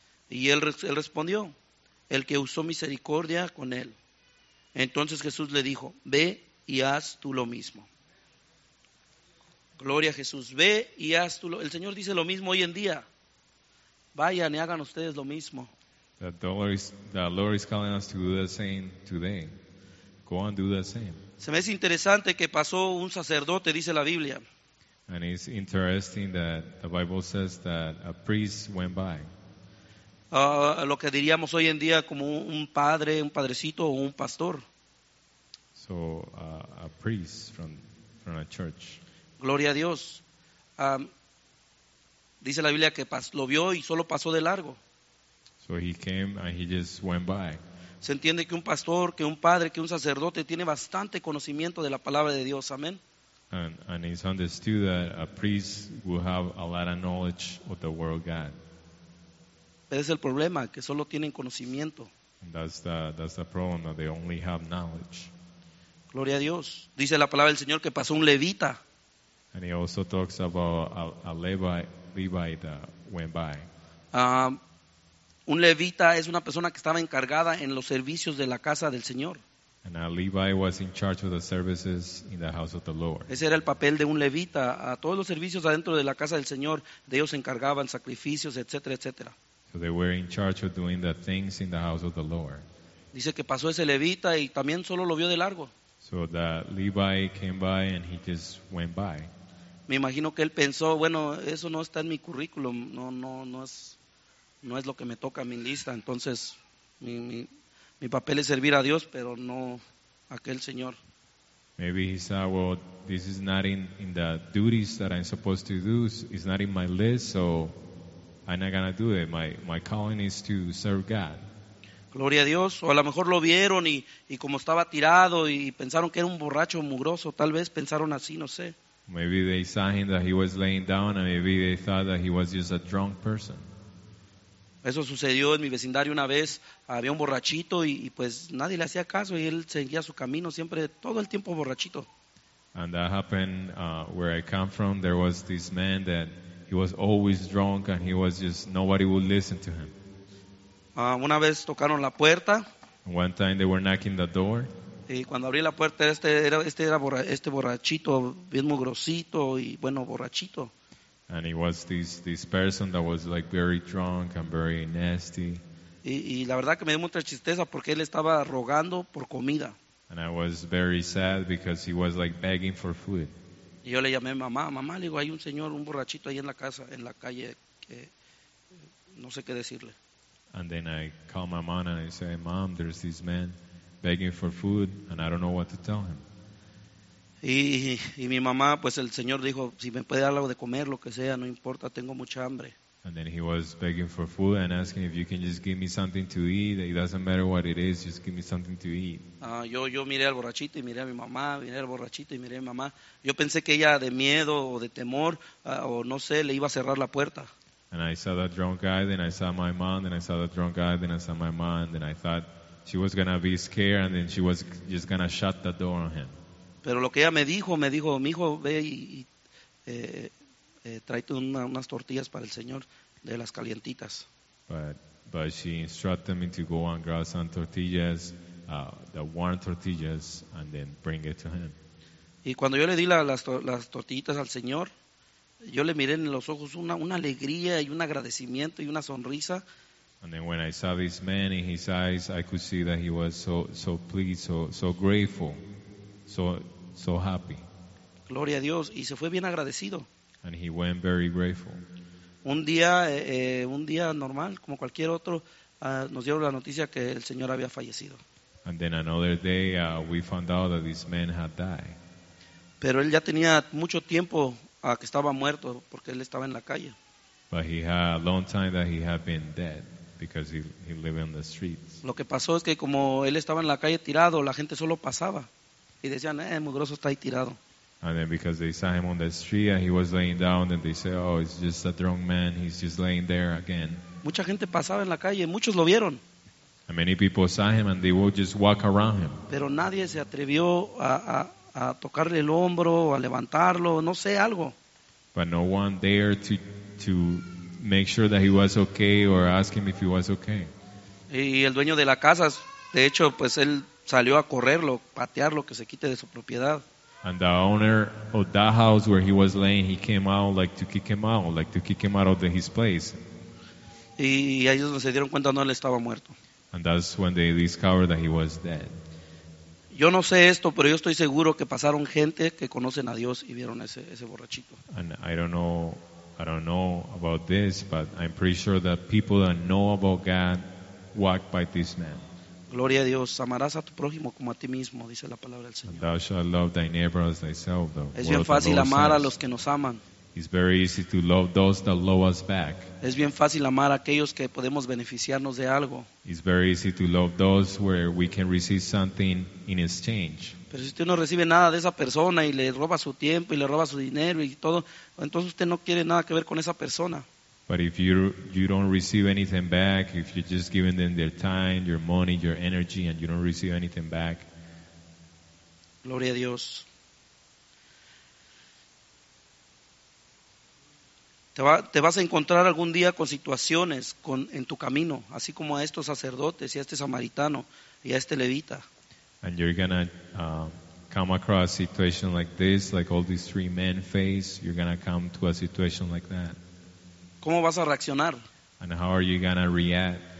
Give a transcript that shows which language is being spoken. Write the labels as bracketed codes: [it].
[es] Y él respondió, el que usó misericordia con él. Entonces Jesús le dijo, ve y haz tú lo mismo. Gloria a Jesús, ve y haz tú lo mismo. El Señor dice lo mismo hoy en día. Vayan y hagan ustedes lo mismo. [en] The Lord is calling us to do the same today. Go and do the same. [es] Se me hace interesante que pasó un sacerdote, dice la Biblia. [en] And it's interesting that the Bible says that a priest went by. [es] Lo que diríamos hoy en día como un padre, un padrecito o un pastor. [en] So a priest from a church. [es] Gloria a Dios. Dice la Biblia que lo vio y solo pasó de largo. [en] So he came and he just went by. [es] Se entiende que un pastor, que un padre, que un sacerdote tiene bastante conocimiento de la palabra de Dios. Amén. [en] And it's understood that a priest will have a lot of knowledge of the word of God. [es] Pero es el problema, que solo tienen conocimiento. [en] That's the problem, that they only have knowledge. [es] Gloria a Dios. Dice la palabra del Señor que pasó un levita. [en] And he also talks about a Levite that went by. [es] Un levita es una persona que estaba encargada en los servicios de la casa del Señor. [en] And now Levi was in charge of the services in the house of the Lord. [es] Ese era el papel de un levita. A todos los servicios adentro de la casa del Señor, de ellos se encargaban sacrificios, etcétera, etcétera. [en] So they were in charge of doing the things in the house of the Lord. [es] Dice que pasó ese levita y también solo lo vio de largo. [en] So the Levi came by and he just went by. [es] Me imagino que él pensó, bueno, eso no está en mi currículum, no es lo que me toca en mi lista, entonces mi papel es servir a Dios, pero no a aquel señor. [en] Maybe he said, well, this is not in the duties that I'm supposed to do, it's not in my list, so I'm not gonna do it. My calling is to serve God. [es] Gloria a Dios. O a lo mejor lo vieron y como estaba tirado y pensaron que era un borracho mugroso, tal vez pensaron así, no sé. [en] Maybe they saw him that he was laying down, and maybe they thought that he was just a drunk person. [es] Eso sucedió en mi vecindario una vez. Había un borrachito y pues nadie le hacía caso y él seguía su camino siempre, todo el tiempo borrachito. [en] And that happened where I come from. There was this man that he was always drunk and he was just, nobody would listen to him. [es] Una vez tocaron la puerta. [en] One time they were knocking the door. [es] Y cuando abrí la puerta, este era borrachito, bien muy grosito y bueno, borrachito. [en] And it was this person that was like very drunk and very nasty. [es] Y la verdad que me dio mucha tristeza porque él estaba rogando por comida. [en] And I was very sad because he was like begging for food. [es] Y yo le llamé a mamá, le digo, hay un señor, un borrachito ahí en la casa, en la calle, que no sé qué decirle. [en] And then I called my mom and I said, Mom, there's this man begging for food, and I don't know what to tell him. [es] Y mi mamá, pues el señor dijo, si me puede dar algo de comer, lo que sea, no importa, tengo mucha hambre. [en] And then he was begging for food and asking if you can just give me something to eat. It doesn't matter what it is, just give me something to eat. [es] Yo miré al borrachito y miré a mi mamá, miré al borrachito y miré a mi mamá. Yo pensé que ella de miedo o de temor o no sé, le iba a cerrar la puerta. [en] And I saw that drunk guy, then I saw my mom, then I saw that drunk guy, then I saw my mom, and then I thought she was going to be scared and then she was just going to shut the door on him. [es] Pero lo que ella me dijo, mi hijo, ve y tráete unas tortillas para el Señor de las calientitas. [en] But she instructed me to go and grab some tortillas, the warm tortillas, and then bring it to him. [es] Y cuando yo le di las tortillitas al Señor, yo le miré en los ojos una alegría y un agradecimiento y una sonrisa. [en] And then when I saw this man in his eyes, I could see that he was so pleased, so grateful, so happy. [es] Gloria a Dios. Y se fue bien agradecido. [en] And he went very grateful. [es] Un día normal, como cualquier otro, nos dieron la noticia que el Señor había fallecido. [en] And then another day, we found out that this man had died. [es] Pero él ya tenía mucho tiempo que estaba muerto, porque él estaba en la calle. [en] But he had a long time that he had been dead. Because he lived on the streets. [es] Lo que pasó es que como él estaba en la calle tirado, la gente solo pasaba y decían, mugroso está ahí tirado. [en] And then because they saw him on the street and he was laying down, and they said, oh, it's just a drunk man, he's just laying there again. [es] Mucha gente pasaba en la calle, muchos lo vieron. [en] And many people saw him and they would just walk around him. [es] Pero nadie se atrevió a tocarle el hombro, a levantarlo, no sé, algo. [en] But no one dared to make sure that he was okay or ask him if he was okay. [es] Y el dueño de la casa, de hecho, pues él salió a correrlo, patearlo, que se quite de su propiedad. [en] And the owner of that house where he was laying, he came out like to kick him out, like to kick him out of his place. [es] Y ellos no se dieron cuenta, no, él estaba muerto. [en] And that's when they discovered that he was dead. [es] Yo no sé esto, pero yo estoy seguro que pasaron gente que conocen a Dios y vieron ese borrachito. [en] And I don't know about this, but I'm pretty sure that people that know about God walk by this man. [es] Gloria a Dios. Amarás a tu prójimo como a ti mismo, dice la palabra del Señor. [en] And thou shalt love thy neighbor as thyself. [es] Es bien fácil amar a los que nos aman. [en] It's very easy to love those that love us back. [es] Es bien fácil amar a aquellos que podemos beneficiarnos de algo. [en] It's very easy to love those where we can receive something in exchange. [es] Pero si usted no recibe nada de esa persona y le roba su tiempo y le roba su dinero y todo, entonces usted no quiere nada que ver con esa persona. [en] But if you don't receive anything back, if you're just giving them their time, your money, your energy, and you don't receive anything back. [es] Gloria a Dios. Te vas a encontrar algún día con situaciones en tu camino, así como a estos sacerdotes y a este samaritano y a este levita. [en] And you're gonna come across a situation like this, like all these three men face. You're gonna come to a situation like that. [es] ¿Cómo vas a reaccionar? [en] And how are you gonna react?